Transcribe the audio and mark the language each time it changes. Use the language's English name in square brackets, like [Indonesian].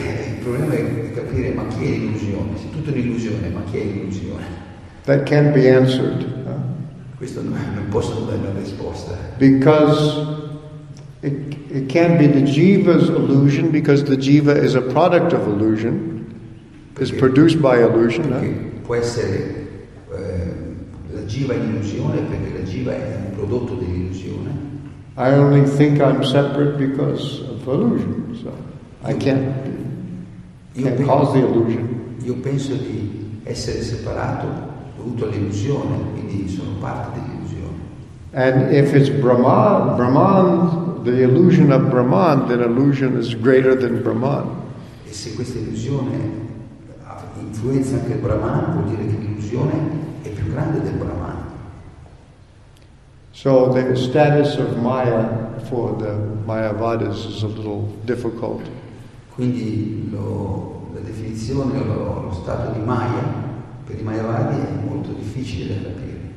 [Italian] Il problema è capire ma chi è l'illusione. Se tutto è un'illusione, ma chi è l'illusione? [English] That can't be answered. [Italian] Questo non posso dare una risposta. [English] Because it can't be the jiva's illusion, because the jiva is a product of illusion, is produced by illusion. [Italian] Può essere la jiva è l'illusione perché la jiva è un prodotto dell'illusione. [English] I only think I'm separate because of illusion, so I can't cause the illusion. [Italian] Io penso di essere separato dovuto all'illusione, quindi sono parte dell'illusione. [English] And if it's Brahman, the illusion of Brahman, then illusion is greater than Brahman. [Italian] E se questa illusione influenza anche Brahman, vuol dire che l'illusione è più grande del Brahman. [English] So the status of Maya for the Mayavadis is a little difficult. [Italian] Quindi la definizione o lo stato di Maya per i Mayavadi è molto difficile da capire.